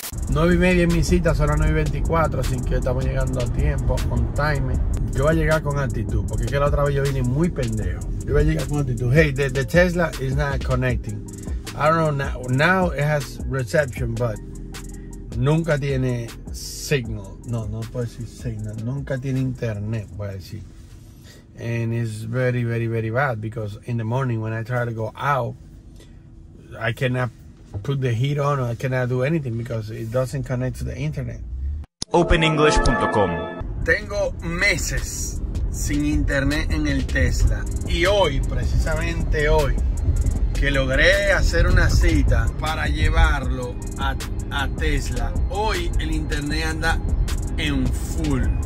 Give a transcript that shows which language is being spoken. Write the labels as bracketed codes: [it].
[es] 9:30 en mi cita, son las 9:24, así que estamos llegando a tiempo, [en] on time. [es] Yo voy a llegar con actitud, porque es que la otra vez yo vine muy pendejo. Yo voy a llegar con actitud. [en] Hey, the Tesla is not connecting. I don't know, now it has reception, but [es] nunca tiene [en] signal. [es] No puedo decir signal. Nunca tiene internet, voy a decir. [en] And it's very, very, very bad, because in the morning when I try to go out, I cannot put the heat on, or I cannot do anything because it doesn't connect to the internet. OpenEnglish.com. [es] Tengo meses sin internet en el Tesla. Y hoy, precisamente hoy, que logré hacer una cita para llevarlo a Tesla, hoy el internet anda en full.